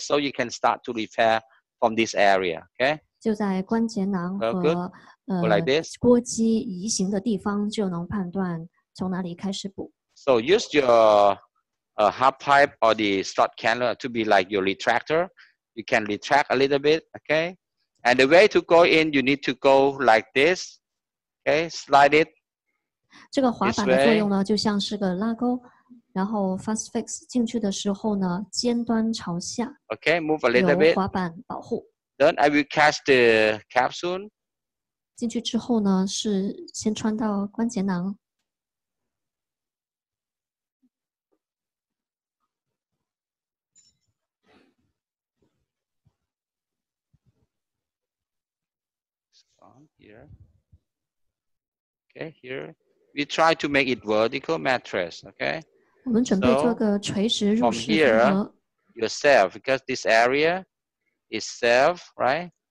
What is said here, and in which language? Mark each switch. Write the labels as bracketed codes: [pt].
[en] So you can start to repair from this area, okay? [zh] 就在关节囊和、 [en] like this. [zh] 锅肌移行的地方就能判断从哪里开始补。 [en] So use your half pipe or the slot cannula to be like your retractor. You can retract a little bit, okay? And the way to go in, you need to go like this, okay? Slide it. [zh] 这个滑板的作用呢就像是个拉钩，然后 fast fix 进去的时候呢尖端朝下。 [en] OK, move a little bit. [zh] 有滑板保护。 [en] Then I will catch the capsule. [zh] 进去之后呢是先穿到关节囊。 [en] Here. OK, here. We try to make it vertical mattress, okay? [zh] 我们准备做个垂直入式缝合。 [en] From here, yourself, because this area is safe, right?